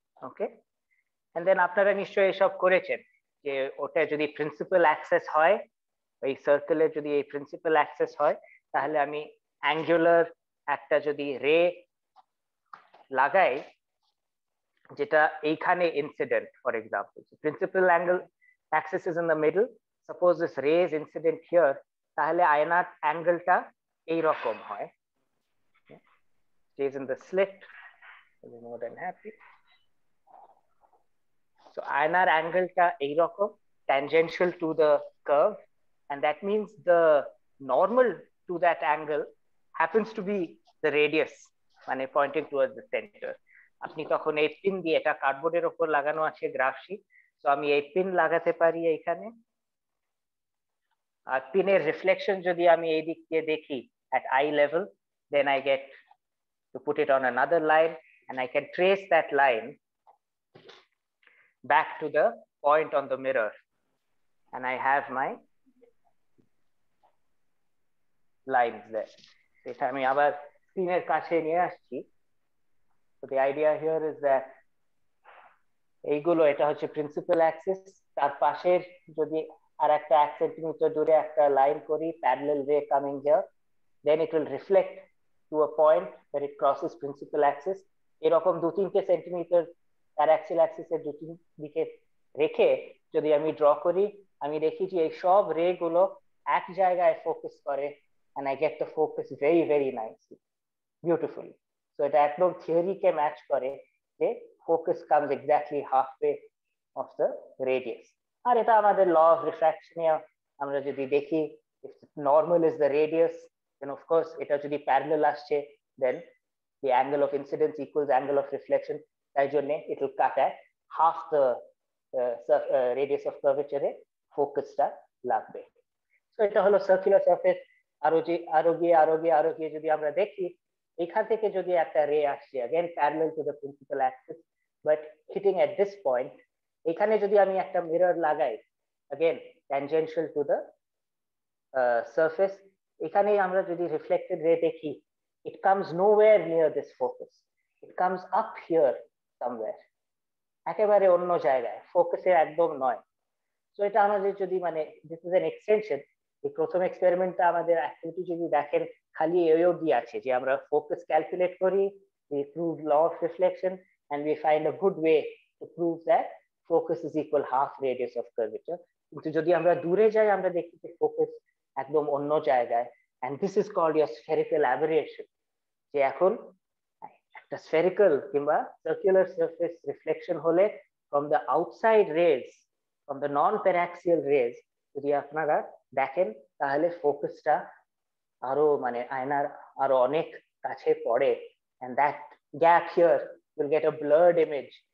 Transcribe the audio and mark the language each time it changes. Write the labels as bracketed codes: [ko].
[bn] Okay, and then আপনারা নিশ্চয়ই এসব করেছেন যে ওটা যদি প্রিন্সিপাল অ্যাক্সেস হয়, ওই সার্কেলে যদি এই প্রিন্সিপাল অ্যাক্সেস হয় তাহলে আমি অ্যাঙ্গুলার একটা যদি রে লাগাই যেটা এইখানে incident, [en] for example principal angle axis is in the middle, suppose this ray is incident here, [bn] তাহলে আয়নার অ্যাঙ্গেলটা এইরকম হয়, [en] Is in the slit. More than happy. So [bn] আয়নার অ্যাঙ্গেলটা এইরকম [en] tangential to the curve, and that means the normal to that angle happens to be the radius [bn] মানে [en] pointing towards the center. [bn] আপনি তখন এই পিন দিয়ে, এটা কার্ডবোর্ডের উপর লাগানো আছে গ্রাফ শীট, তো আমি এই পিন লাগাতে পারি এখানে, আর পিনের রিফ্লেকশন যদি আমি এই দিক দিয়ে দেখি [en] at eye level, then I get to put it on another line and I can trace that line back to the point on the mirror and I have my lines there. [bn] এটা আমি আবার স্ক্রিনের কাছে নিয়ে আসছি. [en] So the idea here is that [bn] এইগুলো, এটা হচ্ছে প্রিন্সিপাল অ্যাক্সিস, তার পাশের যদি আর একটা 1 সেন্টিমিটার দূরে একটা লাইন করি [en] Parallel ray coming here, then it will reflect to a point where it crosses principal axis. [bn] এরকম 2-3 সেন্টিমিটার তার অ্যাক্সিয়াল অ্যাক্সিসের দুটিন দিকে রেখে যদি আমি ড্র করি, আমি দেখি যে এই সব রে গুলো এক জায়গায় ফোকাস করে [en] and I get the focus very, very nicely, beautifully. So it actually [bn] theory ke match kare, [en] the focus comes exactly halfway of the radius. And it's another law of refraction here. [bn] Amra jodi dekhi, [en] if normal is the radius, then of course, [bn] eta jodi parallel asche, [en] then the angle of incidence equals angle of reflection. [bn] Tai jonne, [en] it will cut at half the radius of curvature, [bn] focus ta lagbe. So eta holo circular surface. আরো গিয়ে যদি আমরা দেখি এখান থেকে যদি একটা রে আসছে, [en] again parallel to the principal axis but hitting at this point, [bn] এখানে যদি আমি একটা মিরর লাগাই, [en] again tangential to the surface, [bn] এখানে আমরা যদি reflected ray দেখি, [en] it comes nowhere near this focus, it comes up here somewhere, [bn] একেবারে অন্য জায়গায়, ফোকাসের একদম নয়। So এটা আমাদের যদি মানে [en] this is an extension. [bn] এই প্রথম এক্সপেরিমেন্টটা আমাদের অ্যাক্টিভিটি যদি দেখেন খালি এই অবধি আছে যে আমরা ফোকাস ক্যালকুলেট করি, [en] We prove law of reflection and we find a good way to prove that focus is equal half radius of curvature. [bn] কিন্তু যদি আমরা দূরে যাই আমরা দেখি যে ফোকাস একদম অন্য জায়গায়, [en] and this is called year spherical aberration, [bn] যে এখন একটা স্ফেরিক্যাল কিংবা সার্কুলার সার্ফেস রিফ্লেকশন হলে [en] from the outside rays, from the non paraxial rays [bn] যদি আপনারা দেখেন তাহলে ফোকাসটা আরো মানে আয়নার আরো অনেক কাছে পড়ে, [en] And that gap here, you'll get a blurred image.